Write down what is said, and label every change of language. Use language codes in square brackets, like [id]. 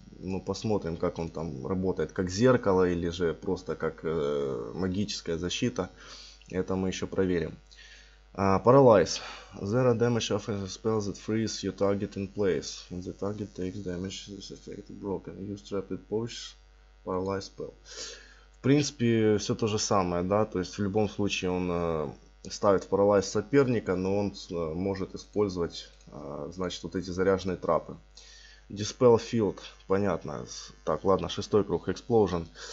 [ru] Ну, посмотрим, как он там работает. Как зеркало или же просто как магическая защита. Это мы еще проверим. Paralyze. [en] Zero damage of a spell that frees your target in place. When the target takes damage, this effect is broken. Use Trapped Push, Paralyze spell. [ru] В принципе, все то же самое, да? То есть, в любом случае, он ставит в Paralyze соперника, но он может использовать, значит, вот эти заряженные трапы. Dispel Field. Понятно. Так, ладно, шестой круг. Explosion.